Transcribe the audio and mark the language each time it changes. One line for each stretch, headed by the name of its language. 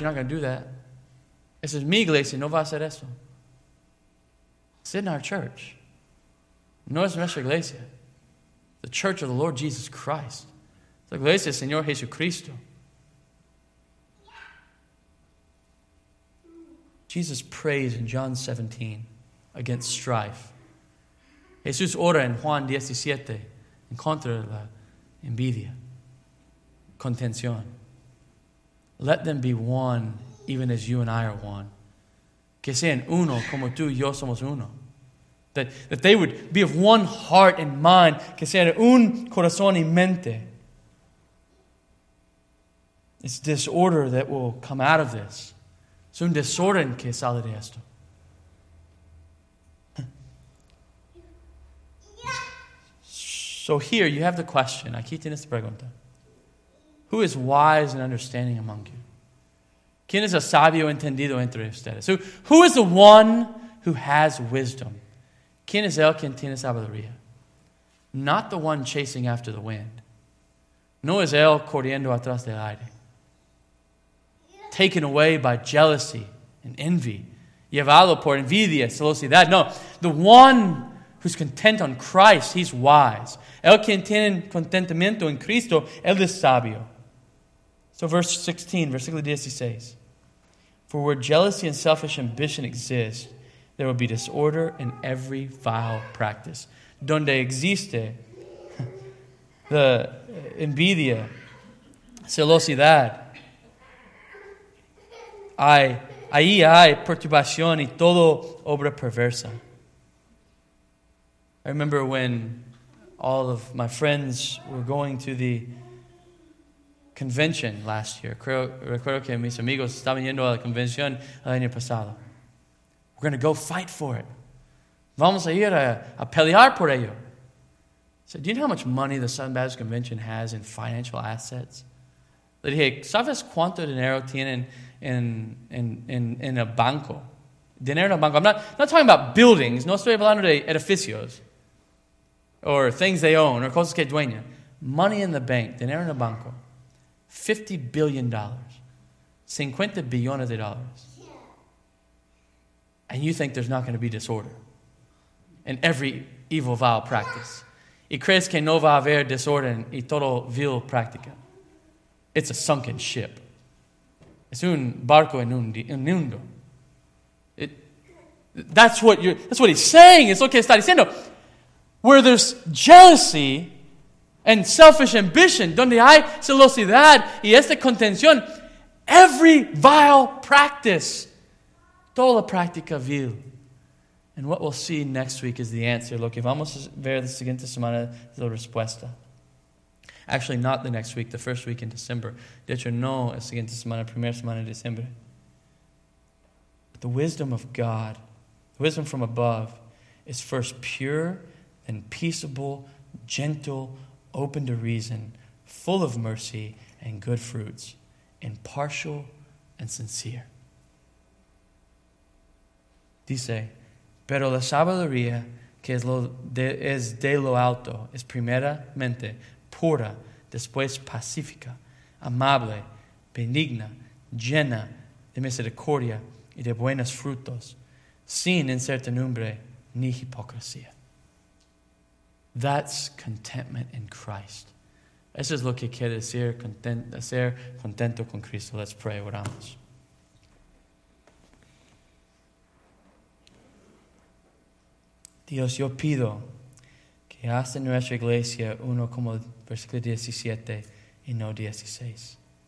English: You're not going to do that. This is
Spanish: mi iglesia. No va a hacer eso.
English: It's in our church.
Spanish: No es nuestra iglesia.
English: The church of the Lord Jesus Christ.
Spanish: La iglesia del Señor Jesucristo.
English: Jesus prays in John 17 against strife.
Spanish: Jesús ora en Juan 17 en contra de la envidia, contención.
English: Let them be one, even as you and I are one.
Spanish: Que sean uno como tú y yo somos uno.
English: That they would be of one heart and mind.
Spanish: Que sean un corazón y mente.
English: It's disorder that will come out of this.
Spanish: Es un desorden que sale de esto.
English: So here you have the question.
Spanish: Aquí tienes la pregunta.
English: Who is wise and understanding among you?
Spanish: ¿Quién es el sabio entendido entre ustedes?
English: Who is the one who has wisdom?
Spanish: ¿Quién es el que tiene sabiduría?
English: not the one chasing after the wind.
Spanish: No es él corriendo atrás del aire.
English: Taken away by jealousy and envy.
Spanish: Llevado por envidia, celosidad.
English: No, the one who's content on Christ, he's wise.
Spanish: El que tiene contentamiento en Cristo, él es sabio.
English: So verse 16,
Spanish: versículo 16.
English: For where jealousy and selfish ambition exist, there will be disorder in every vile practice.
Spanish: Donde existe the envidia, celosidad, ahí hay perturbación y todo obra perversa.
English: I remember when all of my friends were going to the convention last year.
Spanish: Recuerdo que mis amigos estaban yendo a la convención el año pasado.
English: We're going to go fight for it.
Spanish: Vamos a ir a pelear por ello.
English: So, do you know how much money the Southern Baptist Convention has in financial assets?
Spanish: Le dije, ¿sabes cuánto dinero tienen en a banco? Dinero en a banco.
English: I'm not talking about buildings.
Spanish: No estoy hablando de edificios.
English: Or things they own. Or
Spanish: cosas que dueñan.
English: Money in the bank.
Spanish: Dinero en a banco.
English: $50 billion.
Spanish: 50 billones de dólares.
English: And you think there's not going to be disorder in every evil, vile practice.
Spanish: Y crees que no va a haber desorden y todo vil práctica.
English: It's a sunken ship.
Spanish: Es un barco en hundo.
English: That's what he's saying. It's okay,
Spanish: está diciendo.
English: Where there's jealousy and selfish ambition,
Spanish: donde hay celosidad y esta contención,
English: every vile practice,
Spanish: toda la práctica vil.
English: And what we'll see next week is the answer.
Spanish: Lo que vamos a ver la siguiente semana es la respuesta.
English: Actually, not the next week, the first week in December.
Spanish: De hecho, no la siguiente semana, la primera semana de diciembre.
English: But the wisdom of God, the wisdom from above, is first pure and peaceable, gentle, open to reason, full of mercy and good fruits, impartial and sincere.
Spanish: Dice, pero la sabiduría que es de lo alto es primeramente pura, después pacífica, amable, benigna, llena de misericordia y de buenos frutos, sin incertidumbre ni hipocresía.
English: That's contentment in Christ.
Spanish: Eso es lo que quiere decir, ser contento con Cristo.
English: Let's pray,
Spanish: oramos. Dios, yo pido que hagas en nuestra iglesia uno como versículo 17 y no 16.